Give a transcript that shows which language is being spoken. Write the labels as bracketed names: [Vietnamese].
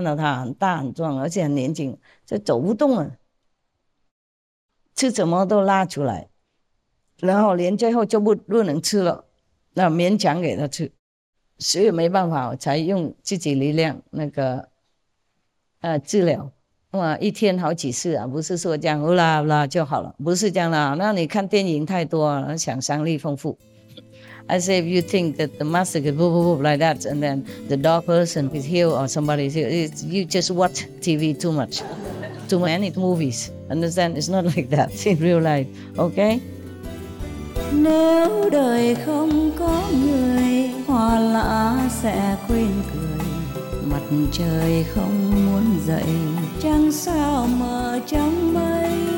[Chinese] 有一次我狗一次病不好嘛，病了什么药都不好，吃什么抗生药吃的太多了，然后它一次好不起来，不能走动了。它本来很壮，你们看到它很大很壮，而且很年轻，就走不动了。吃什么都拉出来，然后连最后就不能吃了，那勉强给他吃，所以没办法，我才用自己力量那个治疗，哇，一天好几次啊，不是说这样啦啦就好了，不是这样啦。那你看电影太多了，想象力丰富。 [English] As if you think that the master could boop, boop, boop like that, and then the dog person is healed or somebody is healed. It's, you just watch TV too much, too many movies. Understand? It's not like that in real life, okay? [Vietnamese] Nếu đời không có người, hoa lá sẽ quên cười. Mặt trời không muốn dậy, trăng sao mờ trong mây.